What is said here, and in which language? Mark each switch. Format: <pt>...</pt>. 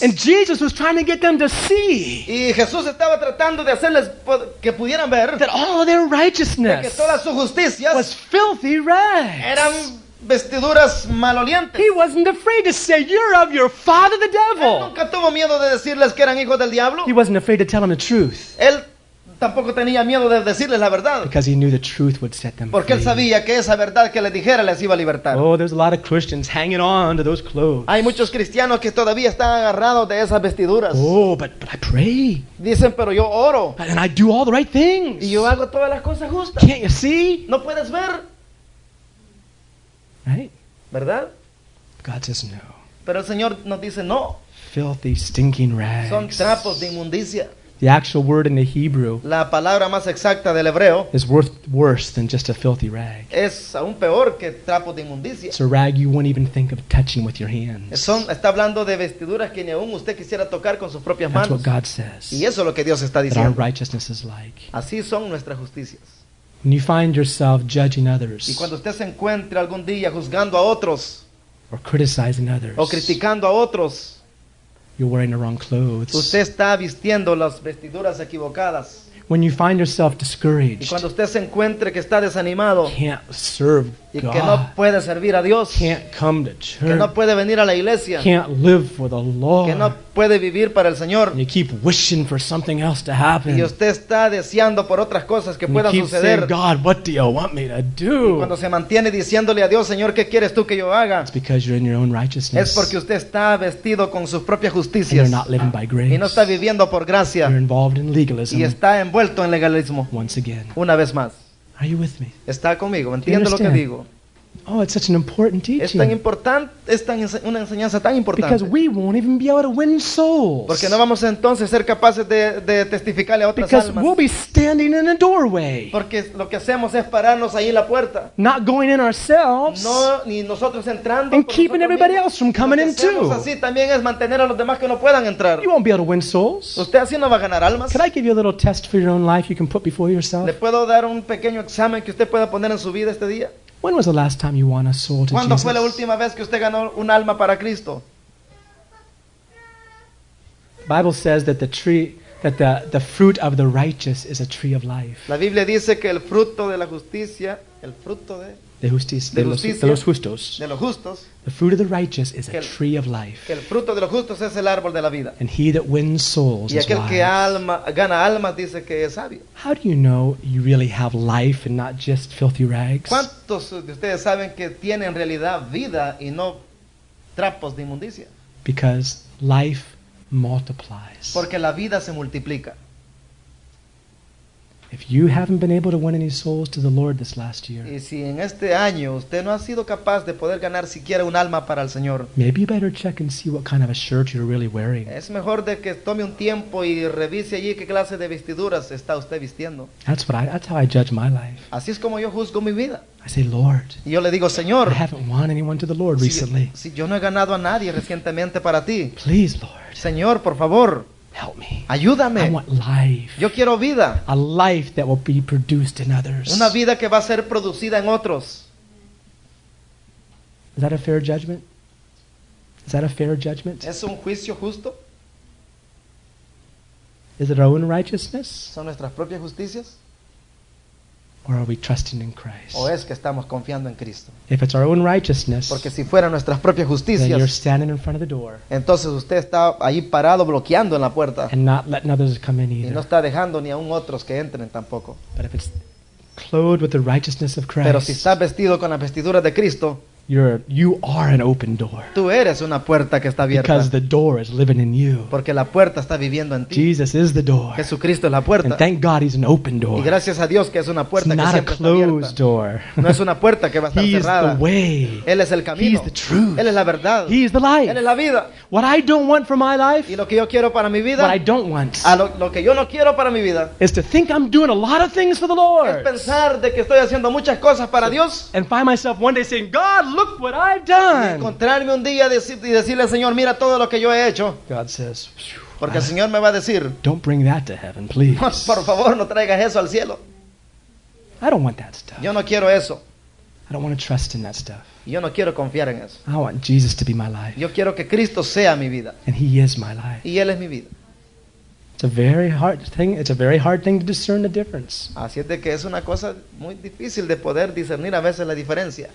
<en>And Jesus was trying to get them to see.</en> <es>Y Jesús estaba tratando de hacerles que pudieran ver</es> <en>that all of their righteousness</en> <es>que toda su justicia</es> <en>was filthy rags.</en> <es>Eran vestiduras malolientes.</es> <en>He wasn't afraid to say you're of your father the devil.</en> <es>Él nunca tuvo miedo de decirles que eran hijos del diablo.</es> <en>He wasn't afraid to tell them the truth.</en> <es>Él tampoco tenía miedo de decirles la verdad.</es> <en>Because he knew the truth would set them</en> <es>porque</es> <en>free.</en> <es>Él sabía que esa verdad que les dijera les iba a libertar.</es> <en>Oh, there's a lot of Christians hanging on to those clothes.</en> <es>Hay muchos cristianos que todavía están agarrados de esas vestiduras.</es> <en>Oh, but I pray.</en> <es>Dicen, pero yo oro.</es> <en>And I do all the right things.</en> <es>Y yo hago todas las cosas justas.</es> <en>Can't you see?</en> <es>No puedes ver.</es> <en>Right?</en> <es>¿Verdad?</es> <en>God says no.</en> <es>Pero el Señor nos dice no.</es> <en>Filthy, stinking rags.</en> <es>Son trapos de inmundicia.</es> <en>The actual word in the Hebrew,</en> <es>la palabra más exacta del hebreo,</es> <en>is worse than just a filthy rag.</en> <es>Es aún peor que trapos de inmundicia.</es> <en>It's a rag you wouldn't even think of touching with your hands.</en> <es>Está hablando de vestiduras que ni aún usted quisiera tocar con sus propias manos.</es> <en>That's what God says.</en> <es>Y eso es lo que Dios está diciendo.</es> <en>That our righteousness is like.</en> <es>Así son nuestras justicias.</es> <en>When you find yourself judging others,</en> <es>y cuando usted se encuentre algún día juzgando a otros,</es> <en>or criticizing others,</en> <es>o criticando a otros.</es> <en>You're wearing the wrong clothes.</en> <es>Usted está vistiendo las vestiduras equivocadas.</es> <en>When you find yourself discouraged,</en> <es>y cuando usted se encuentre que está desanimado,</es> <en>can't serve</en> <es>y que no puede servir a Dios,</es> <en>can't come to church,</en> <es>que no puede venir a la iglesia,</es> <en>can't live for the Lord,</en> <es>que no puede vivir para el Señor,</es> <en>and you keep wishing for something else to happen,</en> <es>y usted está deseando por otras cosas que</es> <en>and</en> <es>puedan</es> <en>keep</en> <es>suceder,</es> <en>saying, God, what do you want me to do?</en> <es>Y cuando se mantiene diciéndole a Dios, Señor, ¿qué quieres tú que yo haga?</es> <en>It's because you're in your own righteousness.</en> <es>Es porque usted está vestido con sus propias justicias,</es> <en>and you're not living by grace.</en> <es>Y no está viviendo por gracia.</es> <en>You're involved in legalism.</en> <es>Y está envuelto en legalismo.</es> <en>Once again.</en> <es>Una vez más.</es> <en>Are you with me?</en> <es>Está conmigo, entiendo lo que digo.</es> <en>Oh, it's such an important teaching.</en> <es>Es tan importante, es tan una enseñanza tan importante.</es> <en>Because we won't even be able to win souls.</en> <es>Porque no vamos entonces ser capaces de testificarle a otras</es> <en>because</en> <es>almas.</es> <en>Because we'll be standing in a doorway.</en> <es>Porque lo que hacemos es pararnos ahí en la puerta.</es> <en>Not going in ourselves.</en> <es>No, ni nosotros entrando.</es> <en>And keeping everybody</en> <es>mismos.</es> <en>Else from coming in too.</en> <es>Lo que hacemos así también es mantener a los demás que no puedan entrar.</es> <en>You won't be able to win souls.</en> <es>Usted así no va a ganar almas.</es> <en>Can I give you a little test for your own life you can put before yourself?</en> <es>¿Le puedo dar un pequeño examen que usted pueda poner en su vida este día?</es> <en>When was the last time you won a soul to Jesus?</en> <es>¿Cuándo fue la última vez que usted ganó un alma para Cristo?</es> <en>The Bible says that the tree that the fruit of the righteous is a tree of life.</en> <es>La Biblia dice que el fruto de la justicia, el fruto de justicia, de los justos.</es> <en>The fruit of the righteous is a tree of life.</en> <es>Que el fruto de los justos es el árbol de la vida.</es> <en>And he that wins souls is wise.</en> <es>Y aquel que alma gana almas dice que es sabio.</es> <en>How do you know you really have life and not just filthy rags?</en> <es>¿Cuántos de ustedes saben que tienen en realidad vida y no trapos de inmundicia?</es> <en>Because life multiplies.</en> <es>Porque la vida se multiplica.</es> <en>If you haven't been able to win any souls to the Lord this last year,</en> <es>y si en este año usted no ha sido capaz de poder ganar siquiera un alma para el Señor,</es> <en>maybe you better check and see what kind of a shirt you're really wearing.</en> <es>Es mejor de que tome un tiempo y revise allí qué clase de vestiduras está usted vistiendo.</es> <en>That's how I judge my life.</en> <es>Así es como yo juzgo mi vida.</es> <en>I say, Lord,</en> <es>y yo le digo, Señor,</es> <en>I haven't won anyone to the Lord recently.</en> <es>Si yo no he ganado a nadie recientemente para ti,</es> <en>please, Lord,</en> <es>Señor, por favor,</es> <en>help me.</en> <es>Ayúdame.</es> <en>I want life.</en> <es>Yo quiero vida.</es> <en>A life that will be produced in others.</en> <es>Una vida que va a ser producida en otros.</es> <en>Is that a fair judgment? Is that a fair judgment?</en> <es>¿Es un juicio justo?</es> <en>Is it our own righteousness?</en> <es>¿Son nuestras propias justicias?</es> <en>Or are we trusting in Christ?</en> <es>¿O es que estamos confiando en Cristo?</es> <en>If it's our own righteousness,</en> <es>porque si fuera nuestras propias justicias,</es> <en>then you're standing in front of the door,</en> <es>entonces usted está ahí parado bloqueando en la puerta,</es> <en>and not letting others come in either.</en> <es>Y no está dejando ni aun otros que entren tampoco.</es> <en>But if it's clothed with the righteousness of Christ,</en> <es>pero si está vestido con la vestidura de Cristo,</es> <en>you are an open door.</en> <es>Tú eres una puerta que está abierta.</es> <en>Because the door is living in you.</en> <es>Porque la puerta está viviendo en ti.</es> <en>Jesus is the door.</en> <es>Jesucristo es la puerta.</es> <en>And thank God he's an open door.</en> <es>Y gracias a Dios que es una puerta</es> <en>it's</en> <es>siempre</es> <en>a closed</en> <es>está</es> <en>door.</en> <es>No es una puerta que va a estar cerrada.</es> <en>He is the way.</en> <es>Él es el camino.</es> <en>He is the truth.</en> <es>Él es la verdad.</es> <en>He is the life.</en> <es>Él es la vida.</es> <en>What I don't want for my life.</en> <es>Y lo que yo quiero para mi vida.</es> <en>What I don't want.</en> <es>Lo que yo no quiero para mi vida.</es> <en>Is to think I'm doing a lot of things for the Lord.</en> <es>Es pensar de que estoy haciendo muchas cosas para Dios.</es> <en>And find myself one day saying, God, look what I've done.</en> <es>Encontrarme un día y decirle al Señor, mira todo lo que yo he hecho.</es> <en>God says,</en> <es>porque el Señor me va a decir,</es> <en>don't bring that to heaven, please.</en> <es>Por favor, no traigas eso al cielo.</es> <en>I don't want that stuff.</en> <es>Yo no quiero eso.</es> <en>I don't want to trust in that stuff.</en> <es>Yo no quiero confiar en eso.</es> <en>I want Jesus to be my life.</en> <es>Yo quiero que Cristo sea mi vida.</es> <en>And he is my life.</en> <es>Y él es mi vida.</es> <en>It's a very hard thing. It's a very hard thing to discern the difference.</en> <es>Así es de que es una cosa muy difícil de poder discernir a veces la diferencia.</es>